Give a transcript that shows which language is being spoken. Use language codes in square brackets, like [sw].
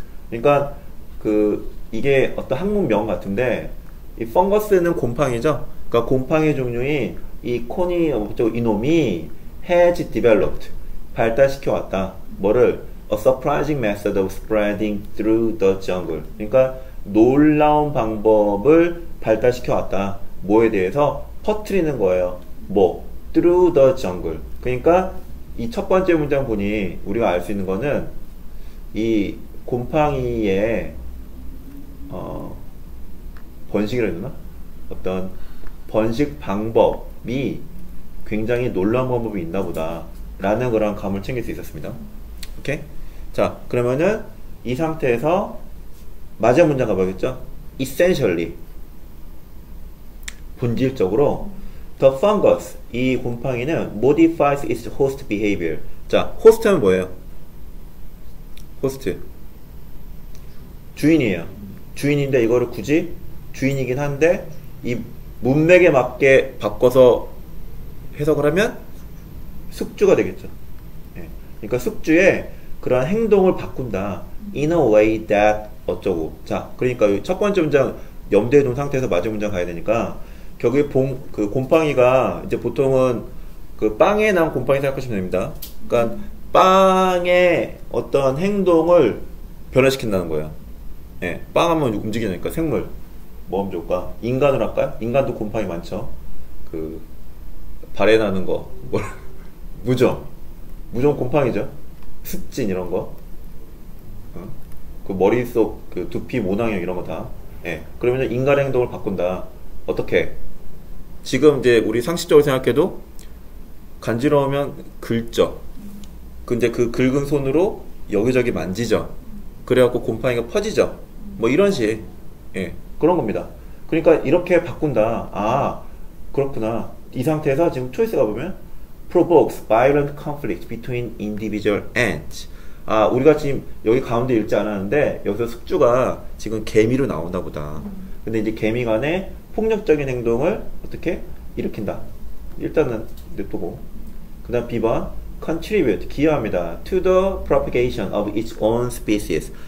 [ko] 그러니까 그 이게 어떤 학문명 같은데 이 펑거스는 곰팡이죠. 그러니까 곰팡이 종류인 이 코니 이놈이 [en] has developed [ko] 발달시켜 왔다. 뭐를 [en] A surprising method of spreading through the jungle. [ko] 그러니까 놀라운 방법을 발달시켜 왔다. 뭐에 대해서 퍼뜨리는 거예요. 뭐 [en] through the jungle. [ko] 그러니까 이첫 번째 문장 보니 우리가 알수 있는 거는 이 곰팡이의 번식이라 해야 되나? 어떤 번식 방법이 굉장히 놀라운 방법이 있나 보다라는 그런 감을 챙길 수 있었습니다. 오케이? 자, 그러면은 이 상태에서 마지막 문장 가봐야겠죠? [en] Essentially, [ko] 본질적으로 [en] The fungus, [ko] 이 곰팡이는 [en] modifies its host behavior. [ko] 자, 호스트는 뭐예요? 호스트. 주인이에요. 주인인데 이거를 굳이 주인이긴 한데 이 문맥에 맞게 바꿔서 해석을 하면 숙주가 되겠죠. 예. 그러니까 숙주에 그런 행동을 바꾼다. [en] In a way that [ko] 어쩌고. 자, 그러니까 첫 번째 문장 염두에 둔 상태에서 마지막 문장 가야 되니까 결국에 그 곰팡이가 이제 보통은 그 빵에 난 곰팡이 생각하시면 됩니다. 그러니까 빵의 어떤 행동을 변화시킨다는 거예요. 예, 빵 하면 움직이니까 생물. 뭐 하면 좋을까? 인간으로 할까요? 인간도 곰팡이 많죠. 그 발에 나는 거. 뭘? 무좀. 무좀 곰팡이죠. 습진 이런 거. 그 머릿속 그 두피 모낭형 이런 거 다. 예. 그러면 인간 행동을 바꾼다. 어떻게? 지금 이제 우리 상식적으로 생각해도 간지러우면 긁죠. 근데 그 긁은 손으로 여기저기 만지죠. 그래갖고 곰팡이가 퍼지죠. 뭐 이런 식. 예. 그런 겁니다. 그러니까 이렇게 바꾼다. 아, 그렇구나. 이 상태에서 지금 초이스가 보면 [en] provokes violent conflict between individual ants. [ko] 아, 우리가 지금 여기 가운데 읽지 않았는데 여기서 숙주가 지금 개미로 나온다 보다. 근데 이제 개미 간의 폭력적인 행동을 어떻게 일으킨다. 일단은 냅두고. 그다음 B번 [en] contribute [ko] 기여합니다. [en] to the propagation of its own species.